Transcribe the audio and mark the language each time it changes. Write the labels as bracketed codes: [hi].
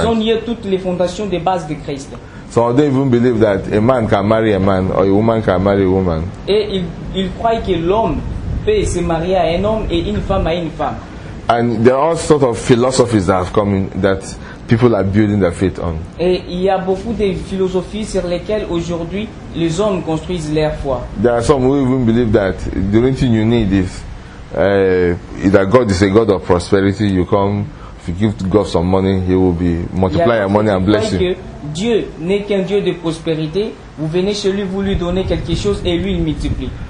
[fr] Ils ont nié toutes les fondations de base de Christ. [en] So they don't even believe that a man can marry a man or a woman can marry a woman. [fr] Et ils croient que l'homme peut se marier à un homme et une femme à une femme. [en] And there are all sort of philosophies that have come in that people are building their faith on. [fr] Et il y a beaucoup de philosophies sur lesquelles aujourd'hui les hommes construisent leur foi. [en] There are some who even believe that the only thing you need is that God is a God of prosperity. You come. If you give God some money, He will be multiply your money and bless you. [fr] Dieu n'est qu'un Dieu de prospérité. Vous venez chez lui, vous lui donnez quelque chose et lui il multiplie.